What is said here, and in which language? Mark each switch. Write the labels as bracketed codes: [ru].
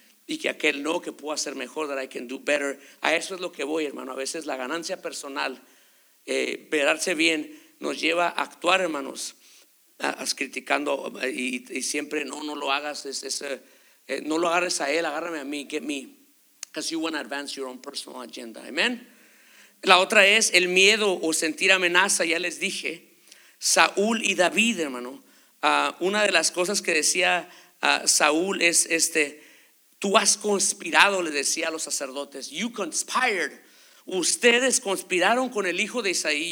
[es] Y que aquel no, que puedo hacer mejor, [en] that I can do better. [es] A eso es lo que voy, hermano. A veces la ganancia personal, verarse bien, nos lleva a actuar, hermanos, criticando y siempre, no lo hagas, no lo agarres a él, agárrame a mí, [en] get me. Because you want to advance your own personal agenda, amen. [es] La otra es el miedo o sentir amenaza, ya les dije. Saúl y David, hermano. Una de las cosas que decía Saúl es este, tú has conspirado, le decía a los sacerdotes. [en] You conspired. [es] Ustedes conspiraron con el hijo de Isaí.